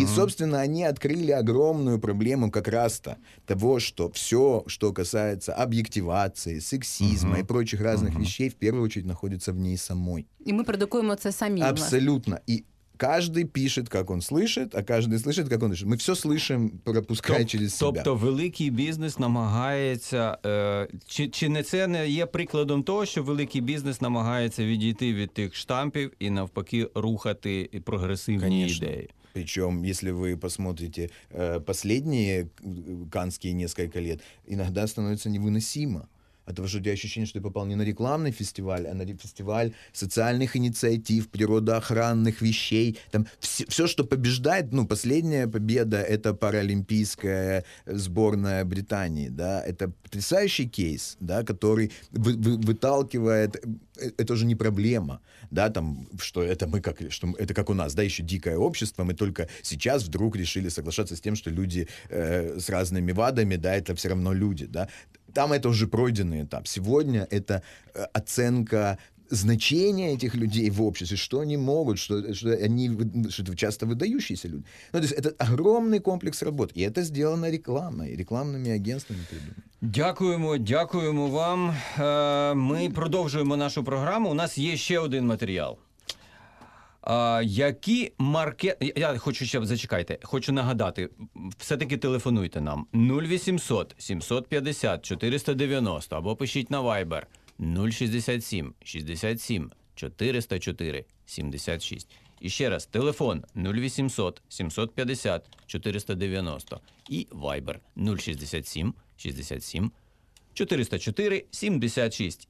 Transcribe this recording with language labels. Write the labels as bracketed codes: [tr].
[ru] И, собственно, они открыли огромную проблему как раз-то того, что все, что касается объективации, сексизма угу. и прочих разных угу. вещей, в первую очередь находится в ней самой. И мы продукуем это сами. Абсолютно. И каждый пишет, как он слышит, а каждый слышит, как он слышит. Мы все слышим, пропуская через себя. [uk] Тобто великий бизнес намагается... Чи не це не є прикладом того, що великий бізнес намагається відійти від тих штампів і навпаки рухати прогресивні ідеї? [ru] Причем, если вы посмотрите последние каннские несколько лет, иногда становится невыносимо. Потому что у тебя ощущение, что ты попал не на рекламный фестиваль, а на фестиваль социальных инициатив, природоохранных вещей. Там все, все, что побеждает, ну, последняя победа, это паралимпийская сборная Британии, да. Это потрясающий кейс, да, который выталкивает... Это уже не проблема, да, там, что это мы как, что это как у нас, да, еще дикое общество, мы только сейчас вдруг решили соглашаться с тем, что люди с разными вадами, да, это все равно люди, да. Там это уже пройденный этап. Сегодня это оценка значения этих людей в обществе, что они могут, что, что они что это часто выдающиеся люди. Ну, то есть это огромный комплекс работ. И это сделано рекламой, рекламными агентствами придумано. [uk] Дякуємо, дякуємо вам. Ми продовжуємо нашу програму. У нас є ще один матеріал. Які маркети... Я хочу ще, зачекайте, хочу нагадати. Все-таки телефонуйте нам. 0800 750 490 або пишіть на Viber 067 67 404 76. І ще раз, телефон 0800 750 490 і Viber 067 67 404 76.